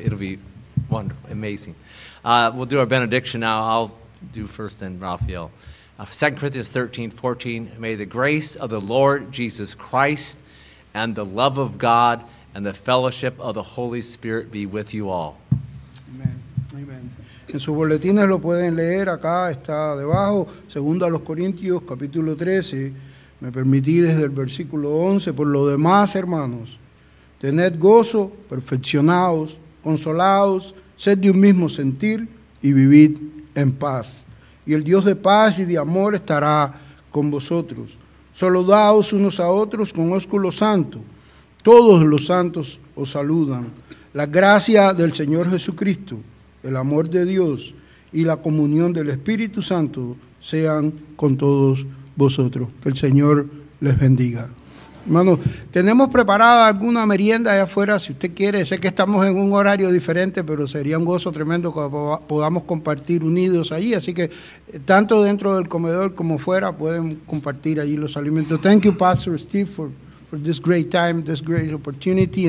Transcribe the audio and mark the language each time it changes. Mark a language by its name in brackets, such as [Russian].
[English] It'll be wonderful, amazing. We'll do our benediction now. I'll do first, then Raphael. 2 Corinthians 13:14, may the grace of the Lord Jesus Christ and the love of God and the fellowship of the Holy Spirit be with you all. Amen. Amen. [Spanish] En sus boletines lo pueden leer, acá está debajo, 2 Corintios 13, me permití desde el versículo 11, por lo demás, hermanos, tened gozo, perfeccionaos, consolaos, sed de un mismo sentir y vivid en paz. Y el Dios de paz y de amor estará con vosotros. Saludaos unos a otros con ósculo santo. Todos los santos os saludan. La gracia del Señor Jesucristo, el amor de Dios y la comunión del Espíritu Santo sean con todos vosotros. Que el Señor les bendiga. Hermanos, tenemos preparada alguna merienda allá afuera, si usted quiere. Sé que estamos en un horario diferente, pero sería un gozo tremendo que podamos compartir unidos allí. Así que tanto dentro del comedor como fuera pueden compartir allí los alimentos. [English] Thank you, Pastor Steve, for this great time, this great opportunity.